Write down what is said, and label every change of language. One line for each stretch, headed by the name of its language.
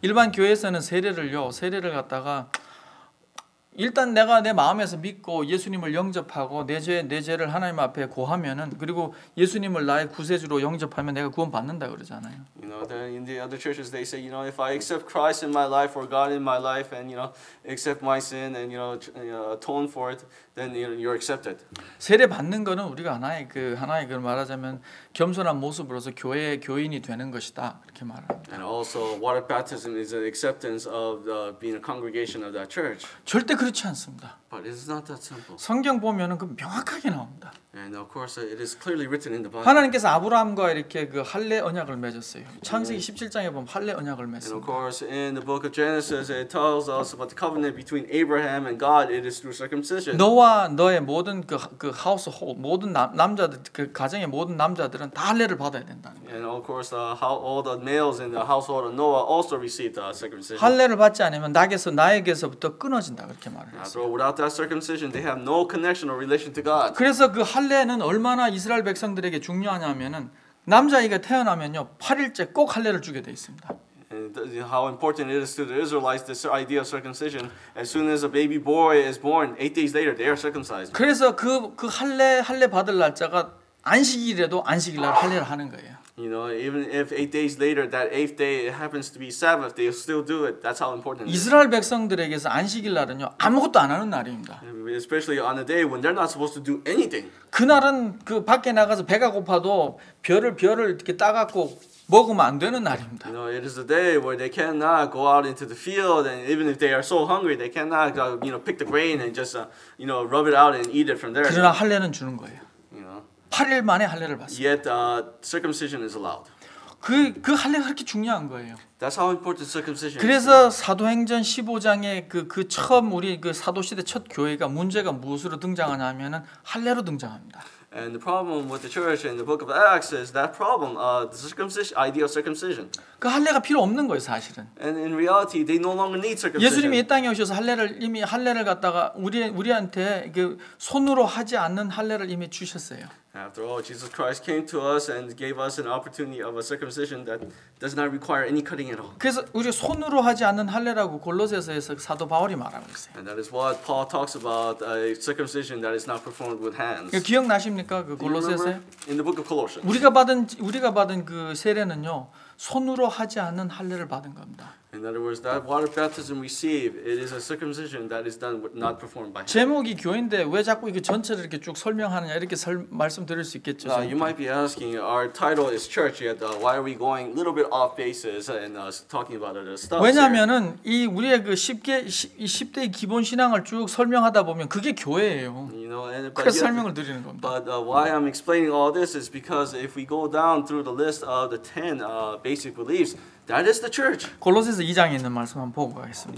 Korean: 일반 교회에서는 세례를 갖다가 일단 내가 내 마음에서 믿고 예수님을 영접하고 내 죄를 하나님 앞에 고하면은 그리고 예수님을 나의 구세주로 영접하면 내가 구원받는다 그러잖아요.
English: You know, in the other churches they say, you know, if I accept Christ in my life or God in my life and you know, accept my sin and you know, atone for it, then you're accepted.
Korean: 세례 받는 거는 우리가 하나의 그 말하자면 겸손한 모습으로서 교회의 교인이 되는 것이다. 이렇게 말합니다.
English: And also water baptism is an acceptance of being a congregation of that church.
Korean: 절대 그렇지 않습니다.
English: But it's not that simple.
Korean: 성경 보면은 그 명확하게 나옵니다.
English: And of course, it is clearly written in the Bible.
Korean: 하나님께서 아브라함과 이렇게 그 할례 언약을 맺었어요. 창세기 17장에 보면 할례 언약을 맺습니다.
English: And of course, in the book of Genesis, it tells us about the covenant between Abraham and God. It is through circumcision.
Korean: 너와 너의 모든 그 household, 모든 남자들 그 가정의 모든 남자들은 다 할례를 받아야 된다.
English: And of course, all the males in the household of Noah also received circumcision.
Korean: 할례를 받지 않으면 나에게서부터 끊어진다 그렇게 말했어요.
English: Without that circumcision, they have no connection or relation to God.
Korean: 그래서 그 할례는 얼마나 이스라엘 백성들에게 중요하냐면은 남자아이가 태어나면요 8일째 꼭 할례를 주게 돼 있습니다.
English: And how important it is to the Israelites this idea of circumcision. As soon as a baby boy is born, 8 days later they are circumcised.
Korean: 그래서 그 할례 받을 날짜가 안식일이라도 안식일 날 할례를 하는 거예요.
English: You know, even if 8 days later, that 8th day it happens to be Sabbath, they still do it. That's how important it is.
Korean: 이스라엘 백성들에게서 안식일 날은요 아무것도 안 하는 날입니다.
English: Especially on a day when they're not supposed to do anything.
Korean: 그날은 그 밖에 나가서 배가 고파도 별을 이렇게 따갖고 먹으면 안 되는 날입니다.
English: You know, it is a day where they cannot go out into the field, and even if they are so hungry, they cannot, you know, pick the grain and just, you know, rub it out and eat it from there.
Korean: 그러나 할례는 주는 거예요. 8일 만에 할례를 받습니다.
English: Yet circumcision is allowed.
Korean: 그 할례가 그렇게 중요한 거예요.
English: That's how important circumcision is.
Korean: 그래서 사도행전 15장에 그 처음 우리 그 사도시대 첫 교회가 문제가 무엇으로 등장하냐면은 할례로 등장합니다.
English: And the problem with the church in the book of Acts is that problem the circumcision idea of circumcision.
Korean: 그 할례가 필요 없는 거예요, 사실은.
English: And in reality they no longer need circumcision.
Korean: 예수님이 이 땅에 오셔서 할례를 갖다가 우리한테 그 손으로 하지 않는 할례를 이미 주셨어요.
English: After all, Jesus Christ came to us and gave us an opportunity of a circumcision that does not require any cutting at all.
Korean: 그래서 우리 손으로 하지 않는 할례라고 골로새서에서 사도 바울이 말하고 있어요.
English: And that is what Paul talks about a circumcision that is not performed with hands.
Korean: 기억나십니까 그 골로새서?
English: In the book of Colossians.
Korean: 우리가 받은 그 세례는요 손으로 하지 않는 할례를 받은 겁니다.
English: In other words, that water baptism received, it is a circumcision that is done not performed by hands.
Korean: 제목이 교회인데 왜 자꾸 이거 전체를 이렇게 쭉 설명하느냐 이렇게 말씀드릴 수 있겠죠.
English: You might be asking, our title is church, yet why are we going a little bit off basis and talking about other stuff?
Korean: 왜냐하면은 이 우리의 그 십대의 기본 신앙을 쭉 설명하다 보면 그게 교회예요.
English: You know, and,
Korean: 그래서 yet, 설명을 드리는 겁니다.
English: But why I'm explaining all this is because if we go down through the list of the 10 basic beliefs. That is the church.
Korean: 골로새서 2장에 있는 말씀 한번 보고 가겠습니다.